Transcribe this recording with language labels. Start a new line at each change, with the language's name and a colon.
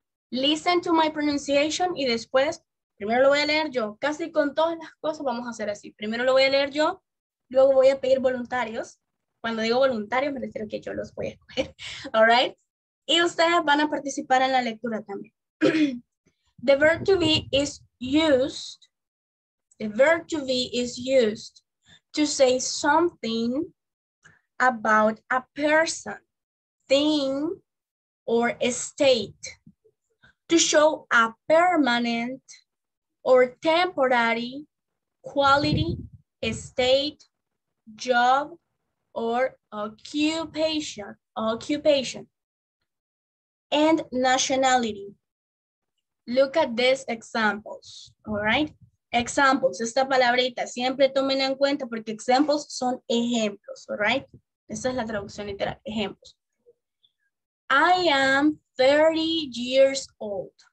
English: Listen to my pronunciation
Spanish: y después, primero lo voy a leer yo, casi con todas las cosas vamos a hacer así. Primero lo voy a leer yo, luego voy a pedir voluntarios. Cuando digo voluntarios, me refiero a que yo los voy a escoger, all right? Y ustedes van a participar en la lectura también.
English: The verb to be is used. The verb to be is used to say something about a person, thing, or state, to show a permanent or temporary quality, state, job, or occupation, and nationality. Look at these examples, all right?
Spanish: Examples, esta palabrita, siempre tomen en cuenta porque examples son ejemplos, all right? Esta es la traducción literal, ejemplos.
English: I am 30 years old.